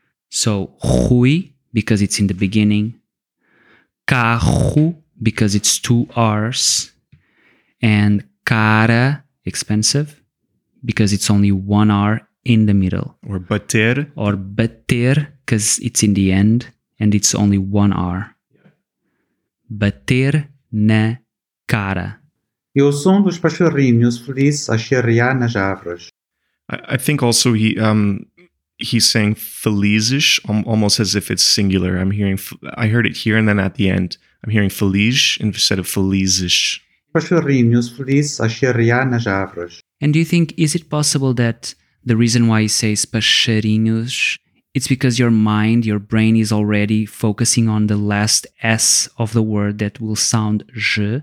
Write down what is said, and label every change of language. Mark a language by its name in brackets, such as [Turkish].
[English] So, Rui, because it's in the beginning. Carro, because it's two R's. And cara, expensive, because it's only one R in the middle. Or bater. Or bater, because it's in the end and it's only one R. [Portuguese] Bater na cara. E o som dos pachorrinhos feliz a cheirar nas árvores. [English] I think also he's saying felizes, almost as if it's singular. I heard it here and then at the end. I'm hearing feliz instead of felizes. [Portuguese] Pachorrinhos feliz a cheirar nas árvores. [English] And do you think, is it possible that the reason why he says pachorrinhos, it's because your mind, your brain is already focusing on the last S of the word that will sound J.